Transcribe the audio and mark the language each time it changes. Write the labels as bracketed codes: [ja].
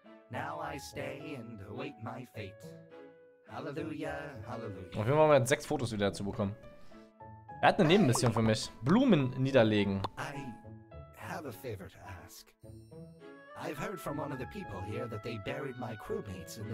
[en] Now I stay and await my fate. Hallelujah, hallelujah. [de] Auf jeden Fall haben wir 6 Fotos wieder dazu bekommen. Er hat eine Nebenmission für mich. Blumen niederlegen. [en] I have a favor to ask. I've heard from one of the people here that they buried my crewmates in this.